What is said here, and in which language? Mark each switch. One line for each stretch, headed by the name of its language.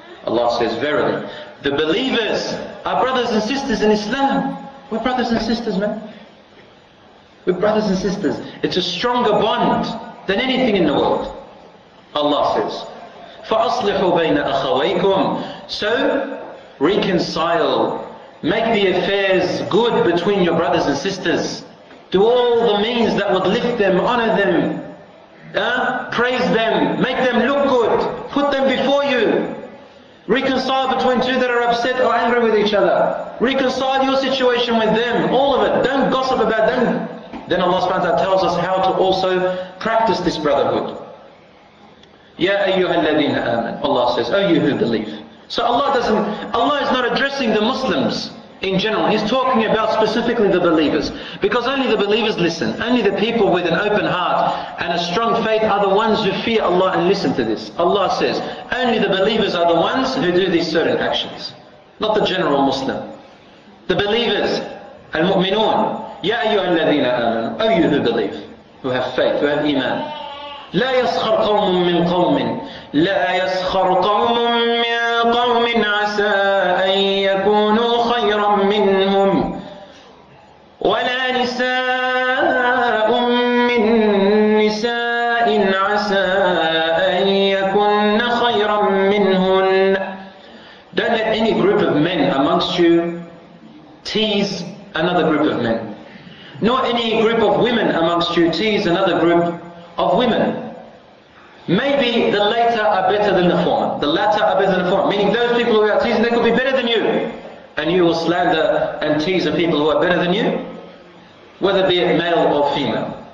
English: Allah says, verily, the believers are brothers and sisters in Islam. We're brothers and sisters, man. We're brothers and sisters. It's a stronger bond than anything in the world. Allah says,
Arabic: فَأَصْلِحُوا بَيْنَ أَخَوَيْكُمْ.
English: So, reconcile. Make the affairs good between your brothers and sisters. Do all the means that would lift them, honor them, praise them, make them look good, put them before you. Reconcile between two that are upset or angry with each other. Reconcile your situation with them, all of it. Don't gossip about them. Then Allah subhanahu wa ta'ala tells us how to also practice this brotherhood. Ya ayyuha alladhina aman, Allah says, oh you who believe. So Allah is not addressing the Muslims in general. He's talking about specifically the believers. Because only the believers listen. Only the people with an open heart and a strong faith are the ones who fear Allah and listen to this. Allah says, only the believers are the ones who do these certain actions. Not the general Muslim. The believers, al-mu'minun, ya ayyuha alladhina aman, oh you who believe, who have faith, who have iman.
Arabic: لا يسخر قوم من قوم لا يسخر قوم من قوم عسى أن يكونوا خيرا منهم ولا نساء من نساء عسى أن يكون خيرا منهن.
English: Don't let any group of men amongst you tease another group of men, nor any group of women amongst you tease another group of women. Maybe the later are better than the former. The latter are better than the former. Meaning those people who are teasing, they could be better than you. And you will slander and tease the people who are better than you, whether be it male or female.